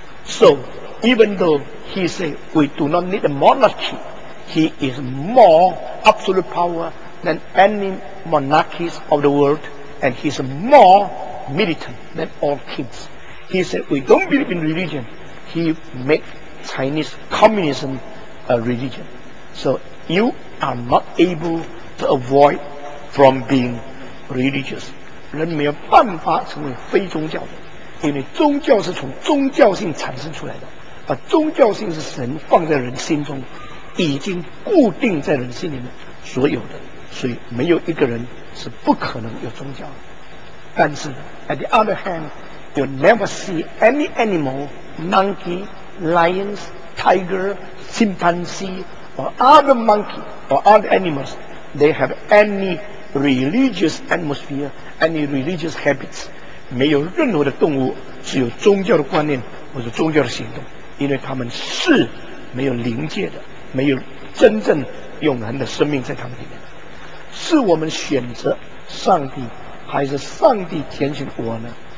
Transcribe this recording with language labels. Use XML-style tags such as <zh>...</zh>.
<en>So, even though he said we do not need a monarchy, he is more absolute power than any monarchies of the world, and he is more militant than all kings. He said we don't believe in religion. He made Chinese communisma religion. So you are not able to avoid from being religious.</en> <zh>人没有办法成为非宗教的，因为宗教是从宗教性产生出来的，而宗教性是神放在人心中，已经固定在人心里面所有的，所以没有一个人是不可能有宗教的。但是</zh> <en>at the other hand, you never see any animal, monkey, lions,tiger, chimpanzee, or other monkey, or other animals, they have any religious atmosphere, any religious habits.</en> <zh>没有任何的动物是有宗教的观念或者宗教的行动，因为他们是没有灵界的，没有真正永恒的生命在他们里面。是我们选择上帝，还是上帝拣选我呢？</zh>